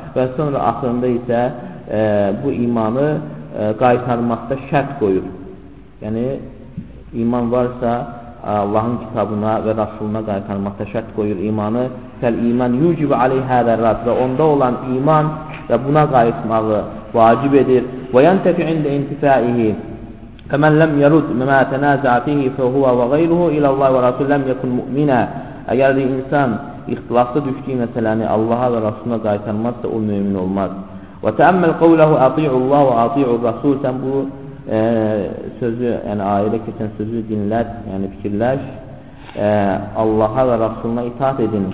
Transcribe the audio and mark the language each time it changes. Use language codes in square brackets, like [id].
[az] və sonra axırında isə bu imanı qaytarmaqda şərt qoyur. Yəni, iman varsa Allahın kitabına və rəsuluna qaytarmaqda şərt qoyur imanı. [ar] Fəl iman yücib aleyhə dərrat [az] və onda olan iman və buna qayıtmağı vacib edir. [ar] Və yəntəfi ində intifaihi فَمَنْ لَمْ يَرُدْ مَا تَنَازَعَ فِيهِ فَهُوَ وَغَيْرُهُ إِلَى اللَّهِ وَرَسُولِهِ لَمْ يَكُنْ مُؤْمِنًا. [az] Əgər bir insan ixtilafda düşdüyü məsələni Allaha və Rasuluna qaytarmazsa, o mümin olmaz. [ar] وَتَأَمَّلْ قَوْلَهُ أَطِيعُ اللَّهَ وَأَطِيعُ الرَّسُولَ. [az] Sən bu sözü, yəni ayədə keçən sözü dinlər, yəni fikirləş. Allaha və Rasuluna itaat edin.